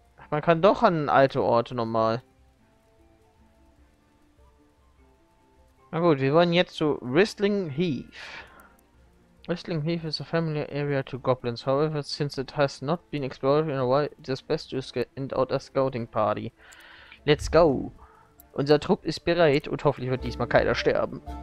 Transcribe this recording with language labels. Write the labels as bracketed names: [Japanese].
[German] Man kann doch an alte Orte nochmal. Na gut, wir wollen jetzt zu Wristling Heath. [English] Wristling Heath is a familiar area to goblins. However, since it has not been explored in a while, it is best to send out a scouting party. Let's go! [German] Unser Trupp ist bereit und hoffentlich wird diesmal keiner sterben.